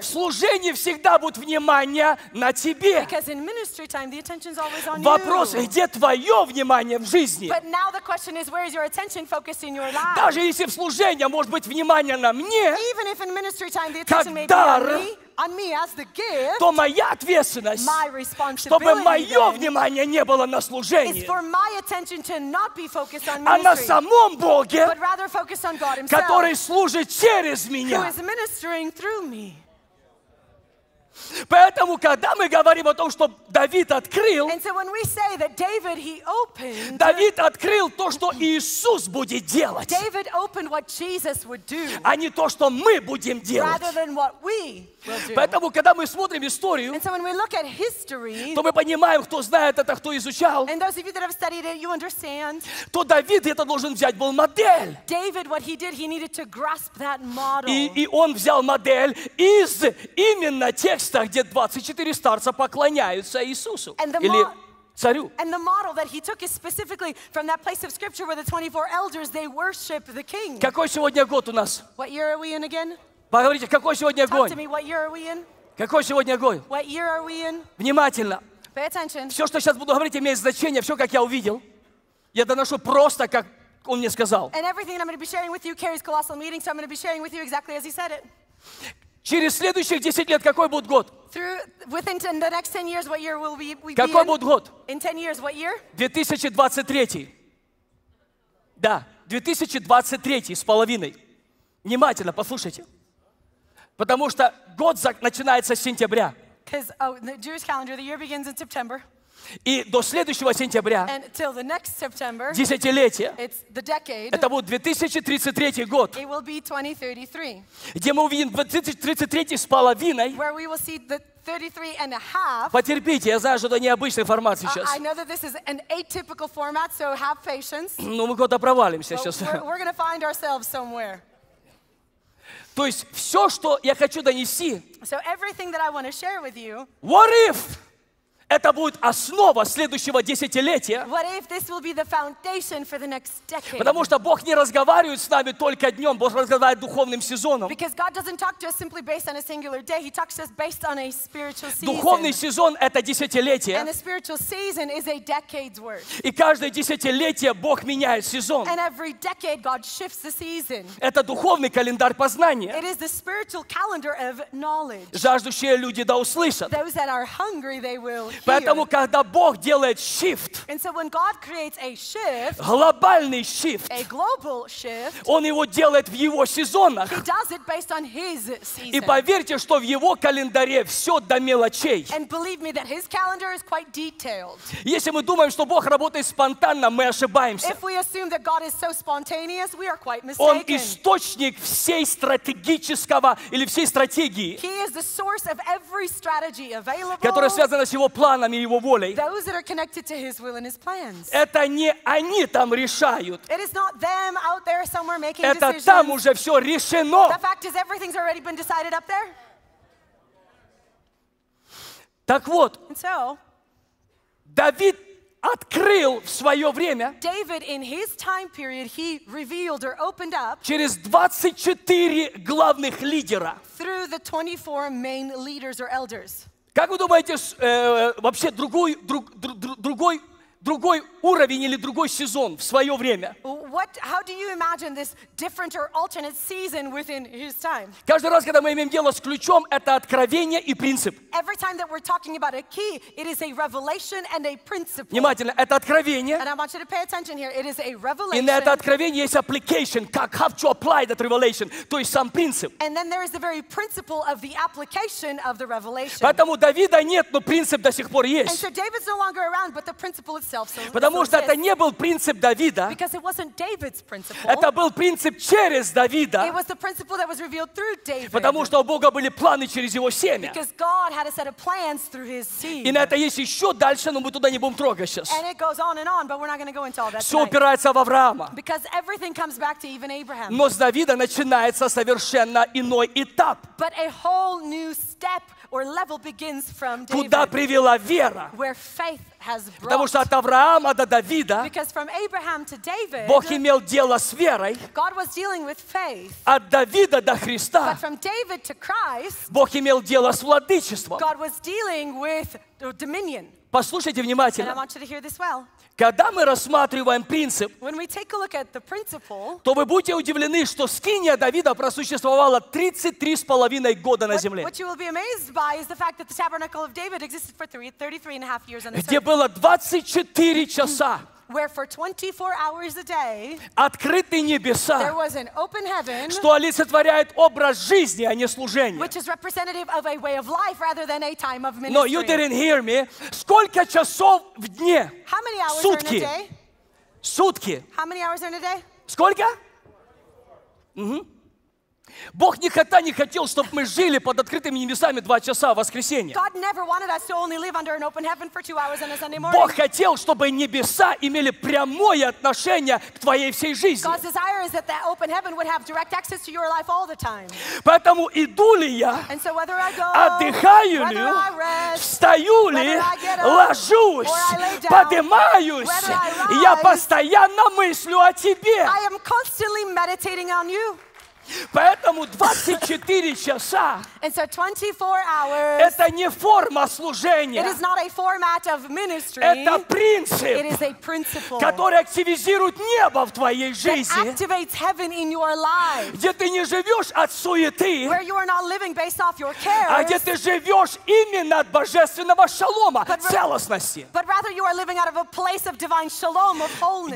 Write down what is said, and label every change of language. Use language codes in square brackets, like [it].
[ru] В служении всегда будет внимание на тебе. [en] Because in ministry time, the attention's always on [ru] вопрос, [en] you. [ru] Где твое внимание в жизни? [en] But now the question is, where is your attention focused in your life? [ru] Даже если в служении может быть внимание на мне, [en] even if in ministry time, the attention may [ru] дар, [en] be on me as the gift, [ru] то моя ответственность, [en] my responsibility, [ru] чтобы мое внимание не было на служении, [en] is for my attention to not be focused on ministry, [ru] а на самом Боге, [en] but rather focused on God himself, [ru] который служит через меня, [en] who is ministering through me. [ru] Поэтому, когда мы говорим о том, что Давид открыл, [en] and so when we say that David, he opened, [ru] Давид открыл то, что Иисус будет делать, [en] David opened what Jesus would do, [ru] а не то, что мы будем делать. [en] Rather than what we [ru] поэтому, когда мы смотрим историю, [en] and so when we look at history, [ru] то мы понимаем, кто знает это, кто изучал, [en] and those of you that have studied it, you understand, [ru] то Давид это должен взять, был модель. [en] David, what he did, he needed to grasp that model. [ru] И он взял модель из именно текста, где 24 старца поклоняются Иисусу. Царю. [en] And the model that he took is specifically from that place of scripture where the 24 elders, they worship the king. [ru] Какой сегодня год у нас? [en] What year are we in again? [ru] Поговорите, какой сегодня год? [en] Talk to me, what year are we in? [ru] Какой сегодня год? [en] What year are we in? [ru] Внимательно. [en] Pay attention. [ru] Все, что сейчас буду говорить, имеет значение. Все, как я увидел, я доношу просто, как он мне сказал. [en] And everything that I'm going to be sharing with you carries colossal meaning, so I'm going to be sharing with you exactly as he said it. [ru] Через следующих 10 лет какой будет год? [en] Within the next 10 years, what year will we be in? [ru] Какой будет год? [en] In 10 years, what year? [ru] 2023. Да, 2023 с половиной. Внимательно, послушайте. Потому что год начинается с сентября. [en] Oh, the Jewish calendar, the year begins in September. [ru] И до следующего сентября, [en] and till the next September, [ru] десятилетие, [en] it's the decade, [ru] это будет 2033 год, [en] it will be 2033, [ru] где мы увидим 2033 с половиной, [en] where we will see the 33 and a half. [ru] Потерпите, я знаю, что это необычный формат сейчас. [en] I know that this is an atypical format, so have patience. [ru] Но мы куда-то провалимся сейчас. [en] We're going to find ourselves somewhere. [ru] То есть все, что я хочу донести, [en] so everything that I want to share with you, what if? [ru] Это будет основа следующего десятилетия. [en] What if this will be the foundation for the next decade? [ru] Потому что Бог не разговаривает с нами только днем, Бог разговаривает духовным сезоном. [en] Because God doesn't talk to us simply based on a singular day, he talks to us based on a spiritual season. [ru] Духовный сезон — это десятилетие. [en] And a spiritual season is a decade's worth. [ru] И каждое десятилетие Бог меняет сезон. [en] And every decade God shifts the season. [ru] Это духовный календарь познания. [en] It is the spiritual calendar of knowledge. [ru] Жаждущие люди да услышат. [en] Those that are hungry, they will. [ru] Поэтому, когда Бог делает shift, [en] and so when God creates a shift, [ru] глобальный shift, [en] a global shift, [ru] Он его делает в его сезонах. [en] He does it based on his season. [ru] И поверьте, что в его календаре все до мелочей. [en] And believe me that his calendar is quite detailed. [ru] Если мы думаем, что Бог работает спонтанно, мы ошибаемся. [en] If we assume that God is so spontaneous, we are quite mistaken. [ru] Он источник всей стратегического или всей стратегии, [en] he is the source of every strategy available, [ru] которая связана с его планами и его волей. [en] Those that are connected to his will and his plans. [ru] Это не они там решают. [en] It is not them out there somewhere making decisions. [ru] Это там уже все решено. [en] The fact is everything's already been decided up there. [ru] Так вот, [en] and so, [ru] Давид открыл в свое время, [en] David, in his time period, he revealed or opened up, [ru] через 24 главных лидера, [en] through the 24 main leaders or elders. [ru] Как вы думаете, вообще другой уровень или другой сезон в свое время? [en] What, how do you imagine this different or alternate season within his time? [ru] Каждый раз, когда мы имеем дело с ключом, это откровение и принцип. [en] Every time that we're talking about a key, it is a revelation and a principle. [ru] Внимательно, это откровение. [en] And I want you to pay attention here. It is a revelation. [ru] И на это откровение есть application, как [en] have to apply that revelation, [ru] то есть сам принцип. [en] And then there is the very principle of the application of the revelation. [ru] Поэтому Давида нет, но принцип до сих пор есть. [en] And so David's no longer around, but the principle itself still exists. [ru] Потому что это не был принцип Давида. [en] Because it wasn't David's principle. [ru] Это был принцип через Давида. [en] It was the principle that was revealed through David. [ru] Потому что у Бога были планы через его семя. [en] Because God had a set of plans through his seed. [ru] И на это есть еще дальше, но мы туда не будем трогать сейчас. [en] And it goes on and on, but we're not going to go into all that. [ru] Все упирается в Авраама. [en] Because everything comes back to even Abraham. [ru] Но с Давида начинается совершенно иной этап. [en] But a whole new step or level begins from David. [ru] Куда привела вера? [en] Where faith has brought. [ru] Потому что от Авраама до Давида, [en] because from Abraham to David, [ru] Бог имел дело с верой. [en] God was dealing with faith. [ru] От Давида до Христа, [en] but from David to Christ, [ru] Бог имел дело с владычеством. [en] God was dealing with dominion. [ru] Послушайте внимательно. [en] And I want you to hear this well. [ru] Когда мы рассматриваем принцип, [en] when we take a look at the principle, [ru] то вы будете удивлены, что скиния Давида просуществовала 33,5 года на земле. [en] What you will be amazed by is the fact that the tabernacle of David existed for 33.5 years on the earth. [ru] Где было 24 часа. [en] Where for 24 hours a day, [ru] открыты небеса, [en] there was an open heaven, [ru] что олицетворяет образ жизни, а не служение. [en] Which is representative of a way of life rather than a time of ministry. No, you didn't hear me. [ru] Сколько часов в дне? [en] How many hours [ru] сутки? [en] Are in a day? [ru] Сутки. [en] How many hours are in a day? [ru] Сколько? Угу. Бог никогда не хотел, чтобы мы жили под открытыми небесами 2 часа в воскресенье. [en] God never wanted us to only live under an open heaven for 2 hours on a Sunday morning. [ru] Бог хотел, чтобы небеса имели прямое отношение к твоей всей жизни. [en] God's desire is that the open heaven would have direct access to your life all the time. [ru] Поэтому иду ли я, [en] and so whether I go, [ru] отдыхаю ли, [en] whether I rest, [ru] встаю ли, [en] whether I get up, [ru] ложусь, [en] or I lay down, [ru] поднимаюсь, [en] whether I rise, [ru] я постоянно мыслю о тебе. [en] I am constantly meditating on you. [ru] Поэтому 24 часа, [en] and so 24 hours, [ru] это не форма служения. [en] It is not a format of ministry. [ru] Это принцип, [en] it is a principle, [ru] который активизирует небо в твоей жизни. [en] That activates heaven in your life. [ru] Где ты не живешь от суеты, [en] where you are not living based off your cares, [ru] а где ты живешь именно от божественного шалома, [en] but [ru] целостности. [en] But rather you are living out of a place of divine shalom, of wholeness.